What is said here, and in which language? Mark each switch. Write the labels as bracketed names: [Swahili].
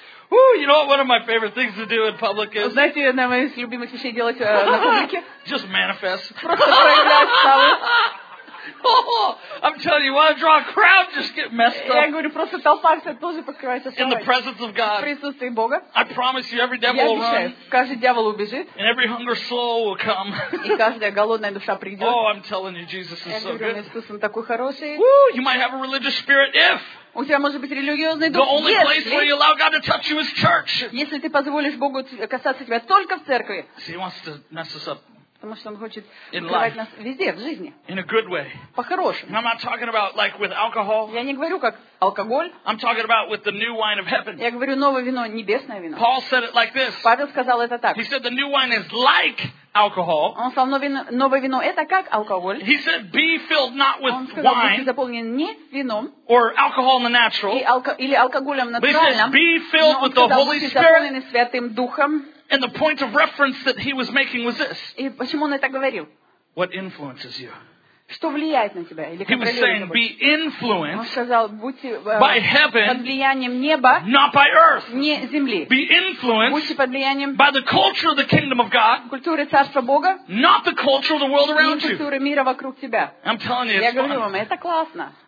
[English] Ooh, you know what one of my favorite things to do in public is? [Russian] Знаете, одна из моих любимых вещей делать на публике? [English] Just manifest. [Russian] Просто проиграть славу. [English] I'm telling you, want to draw a crowd, just get messed up. [Russian] Я говорю, просто толпа вся тоже покрывается славой. [English] In the presence of God. [Russian] В присутствии Бога. [English] I promise you, every devil will run. [Russian] Я обещаю, каждый дьявол убежит. [English] And every hunger soul will come. [Russian] И каждая голодная душа придет. [English] Oh, I'm telling you, Jesus is so good. [Russian] Я говорю, Иисус, он такой хороший. [English] Ooh, you might have a religious spirit if... [Russian] У тебя может быть религиозный дух. [English] The only place where you allow God to touch you is church. [Russian] Если ты позволишь Богу касаться тебя только в церкви. [English] See, he wants to mess us up. [Russian] Потому что он хочет открывать нас везде, в жизни. [English] In a good way. [Russian] По-хорошему. [English] I'm not talking about like with alcohol. [Russian] Я не говорю как алкоголь. [English] I'm talking about with the new wine of heaven. [Russian] Я говорю новое вино, небесное вино. [English] Paul said it like this. [Russian] Павел сказал это так. [English] He said the new wine is like alcohol. [Russian] Он сказал, новое вино это как алкоголь. [English] He said, be filled not with wine. [Russian] Он сказал, будьте заполнены не вином. [English] Or alcohol in the natural. [Russian] Или алкоголем натуральным. [English] Be filled with the Holy Spirit. [Russian] Но он сказал, будьте заполнены Святым Духом. [English] And the point of reference that he was making was this. [Russian] И почему он это говорил? [English] What influences you? [Russian] Что влияет на тебя или контролирует? [English] He was saying, be influenced. [Russian] Он сказал, будьте [English] by heaven, [Russian] под влиянием неба, [English] not by earth. [Russian] Не земли. [English] Be influenced, [Russian] будьте под влиянием [English] by the culture of the kingdom of God, [Russian] культуры царства Бога, [English] not the culture of the world around you. [Russian] Не культуры мира вокруг тебя. [English] I'm telling you, [Russian] я говорю вам, это классно.